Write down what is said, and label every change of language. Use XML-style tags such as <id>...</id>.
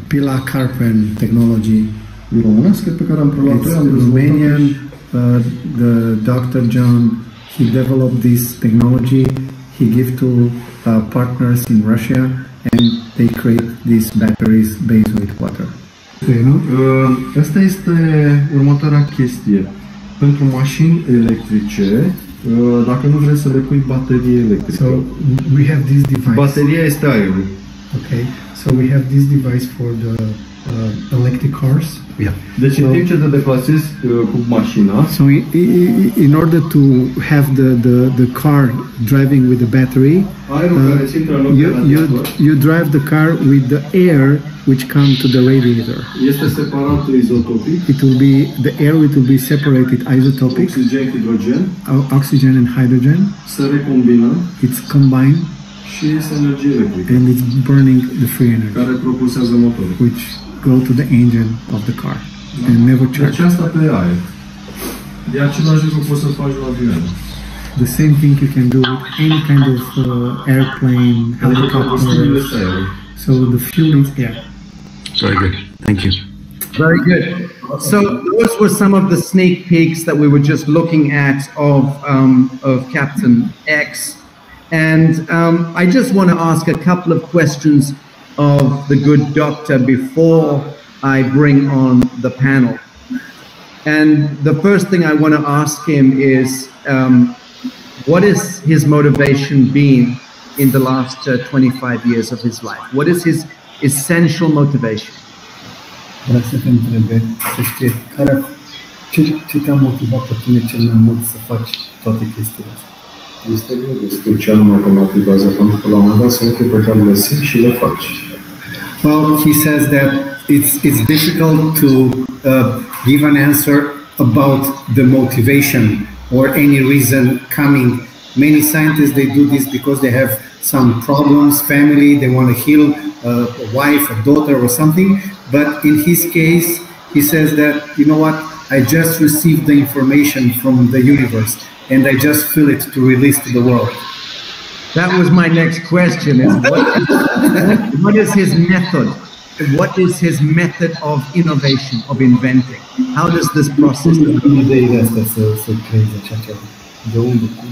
<en>Pilei Carpen technology.</en> <ro>Românească pe care am preluat-o, am</ro> <en>Romanian, the Dr. John, he developed this technology. He gave to partners in Russia and they create these batteries based with water.</en> <ro>Asta este următoarea chestie. Pentru mașini electrice, dacă nu vrei să le pui baterie electrică.</ro> <en>So we have this device.</en> <ro>Bateria este aerul.</ro> <en>Okay. So we have this device for the electric cars. Yeah.</en> <ro>Deci în timp ce te deplasezi cu mașina.</ro> <en>So in order to have the car driving with the battery, you drive the car with the air which comes to the radiator.</en> <ro>Este separat izotopic.</ro> <en>It will be the air. It will be separated isotopic. Oxygen, hydrogen. Oxygen and hydrogen.</en> <ro>Se recombină.</ro> <en>It's combined.</en> <ro>Și este energie electrică.</ro> <en>And it's burning the free energy.</en> <ro>Care propulsează motorul.</ro> <en>Which go to the engine of the car and never charge.</en> <ro>De asta pe aer. De același lucru poți să faci la avion.</ro> <en>The same thing you can do with any kind of airplane, helicopter. So the fuel is air. Very good. Thank you. Very good. So those were some of the sneak peeks that we were just looking at of Captain X. And I just want to ask a couple of questions of the good doctor before I bring on the panel. And the first thing I want to ask him is, what is his motivation been in the last 25 years of his life? What is his essential motivation?</en> <ro>Vreau să te întreb, să știi, ce te-a motivat pe tine cel mai mult să faci toate chestiile astea? Este greu de spus ce anume că motivează, pentru că la un moment dat sunt lucruri pe care le simt și le faci.</ro> <en>Well, he says that it's difficult to give an answer about the motivation or any reason coming. Many scientists, they do this because they have some problems, family, they want to heal a wife, a daughter or something. But in his case, he says that, you know what, I just received the information from the universe and I just feel it to release to the world. That was my next question, is what is his method? What is his method of innovation, of inventing? How does this process work?</en> <ro>Cum de ideea asta să creeze așa ceva? De unde?</ro>